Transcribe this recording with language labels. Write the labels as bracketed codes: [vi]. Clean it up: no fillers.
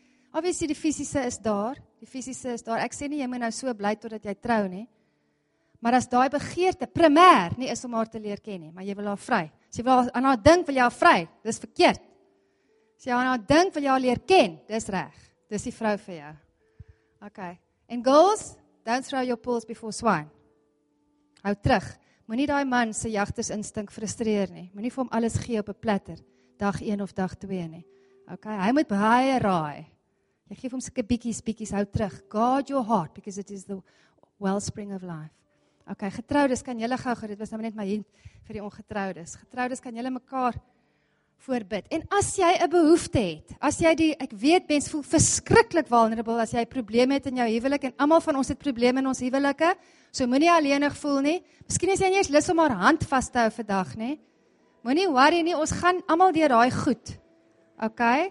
[af] Obviously die fysiese is daar. Die fysiese is daar. Ek sê nie, jy moet nou so bly totdat jy trou nie. Maar as daai begeerte, primêr, nie is om haar te leer ken nie, maar jy wil haar vry. As jy wil aan haar dink, wil jy haar vry. Dis verkeerd. As jy aan haar dink, wil jy haar leer ken. Dis reg. Dis die vrou vir jou. Ok. [en] And girls, don't throw your pearls before swine. [af] Hou terug. Moenie daai man se jagtersinstink frustreer nie. Moenie vir hom alles gee op 'n platter dag 1 of dag 2 nie. Okay, hy moet baie raai. Jy gee hom sulke bietjies hou terug. [en] Guard your heart because it is the wellspring of life. [af] Okay, getroudes kan julle gou, dit was nou net my hint vir die ongetroudes. Getroudes kan julle mekaar voorbid. En as jy 'n behoefte het, as jy die ek weet mens voel verskriklik vulnerable as jy probleme het in jou huwelik en almal van ons het probleme in ons huwelike, so moenie alleenig voel nie. Miskien is jy nie eens lus om haar hand vas te hou vandag nie. Moenie worry nie, ons gaan almal deur daai goed. OK?